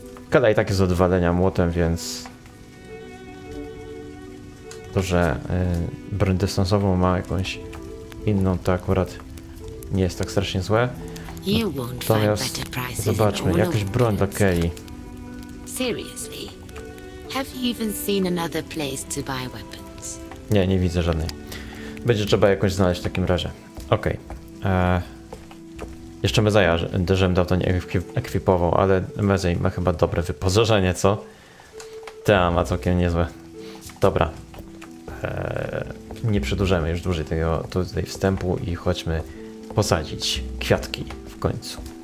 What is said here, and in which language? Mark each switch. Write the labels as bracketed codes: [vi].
[pl] Kala i tak jest odwalenia młotem, więc to, że broń dystansową ma jakąś inną, to akurat nie jest tak strasznie złe. Natomiast zobaczmy, jakaś broń dla Kelly. [en] Seriously, have you even seen another place to buy weapons? [pl] Nie, nie widzę żadnej. Będzie trzeba jakąś znaleźć w takim razie. Okej. Jeszcze Mezeja, żebym dawno nie ekwipował, ale Mezej ma chyba dobre wyposażenie, co? Tea ma całkiem niezłe. Dobra. Nie przedłużajmy już dłużej tego tutaj wstępu i chodźmy posadzić kwiatki w końcu.